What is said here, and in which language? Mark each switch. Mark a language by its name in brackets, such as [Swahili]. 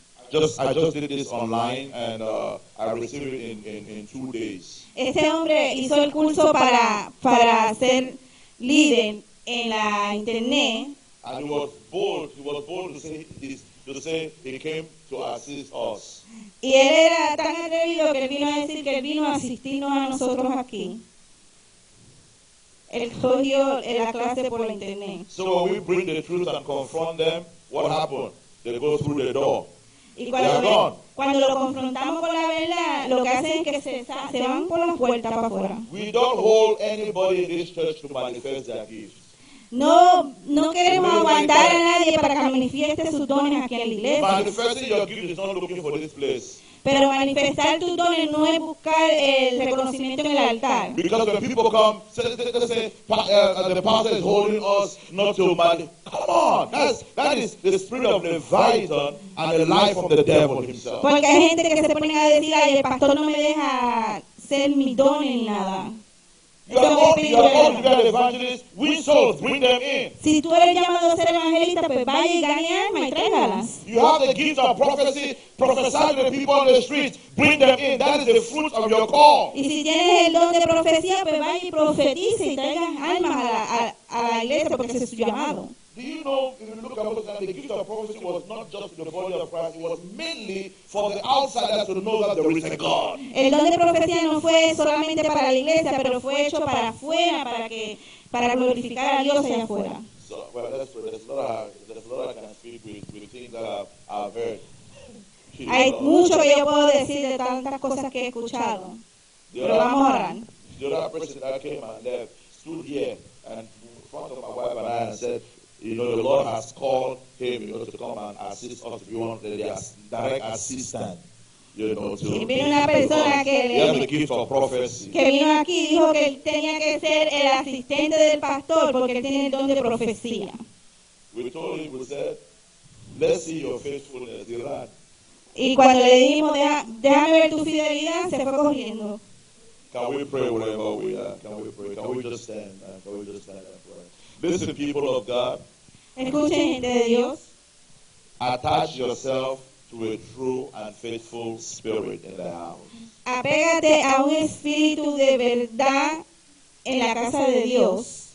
[English] I just did this online and I received it in 2 days. [Spanish] Ese hombre hizo el curso para ser líder en la internet. [English] And he was bold to say he came to assist us. [Spanish] Y él era tan atrevido que vino a decir que vino a asistirnos a nosotros aquí. Él cogió la clase por la internet. [English] So when we bring the truth and confront them, what happened? They go through the door. [Spanish] Y cuando lo confrontamos con la verdad, lo que hacen es que se van por las puertas para afuera. [English] We don't hold anybody in this church to manifest their gifts. [Spanish] No queremos aguantar a nadie para que manifieste sus dones aquí en la iglesia. [English] Manifesting your gifts is not looking for this place. [Spanish] Pero manifestar tus dones no es buscar el reconocimiento en el altar. [English] Because when people come, the pastor is holding us not to manifest. Come on, that is the spirit of Leviathan and the life of the devil himself. [Spanish] Porque hay gente que se pone a decir, ay, el pastor no me deja ser mi don ni nada. [English] You are all evangelists. Win souls, bring them in. [Spanish] Si tú eres llamado a ser evangelista, pues vaya y gane alma y tráigalas. [English] You have the gift of prophecy. Prophesy to the people on the streets. Bring them in. That is the fruit of your call. [Spanish] Y si tienes el don de profecía, pues vaya y profetice y traiga almas a la iglesia porque ese es su llamado. [English] Do you know, if you look at what the gift of prophecy was not just in the body of Christ, it was mainly for the outsiders to know that there is a God. [Spanish] El don de profecía no fue solamente para la iglesia, pero fue hecho para afuera, para glorificar a Dios allá afuera. [English] So, well, there's a lot I can speak with things that I've heard. [Spanish] Hay mucho que yo puedo decir de tantas cosas que he escuchado, pero vamos a orar. [English] The other person that came and left stood here and in front of my wife and I and said, you know, the Lord has called him, you know, to come and assist us. If you want the direct assistant, you know, to [Spanish] be una persona que [English] he has the gift of prophecy. [Spanish] Que vino aquí y dijo que él tenía que ser el asistente del pastor porque él tiene el don de profecía. [English] We told him, we said, let's see your faithfulness, dear lad. [Spanish] Y cuando le dijimos, déjame ver tu fidelidad, se fue corriendo. [English] Can we pray wherever we are? Can we pray? Can we just stand? Can we just stand and pray? Listen, people of God. [Spanish] Escuchen, gente de Dios. [English] Attach yourself to a true and faithful spirit in the house. [Spanish] Apégate a un espíritu de verdad en la casa de Dios.